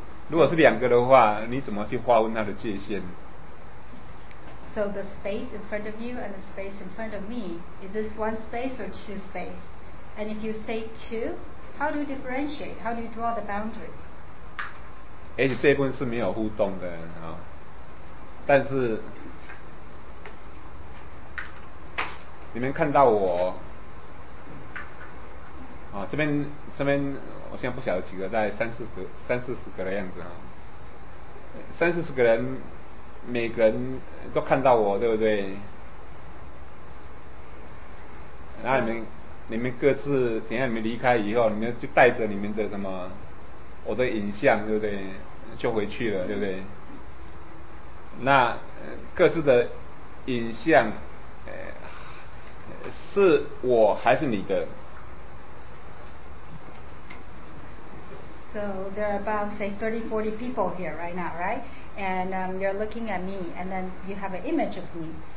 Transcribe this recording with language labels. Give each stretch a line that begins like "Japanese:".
Chinese: 如果是两个的话，你怎么去划分它的界限？
English: So the space in front of you and the space in front of me, is this one space or two space? And if you say two, how do you differentiate? How do you draw the boundary?
Chinese: 也许这部分是没有互动的啊，但是你们看到我。哦、这边我现在不晓得几个，大概三四十个的样子、哦、三四十个人，每个人都看到我，对不对？然后你们各自等一下你们离开以后，你们就带着你们的什么我的影像，对不对？就回去了，对不对？那各自的影像，是我还是你的？
English: So there are about, say, 30-40 people here right now, right? And you're looking at me, and then you have an image of me.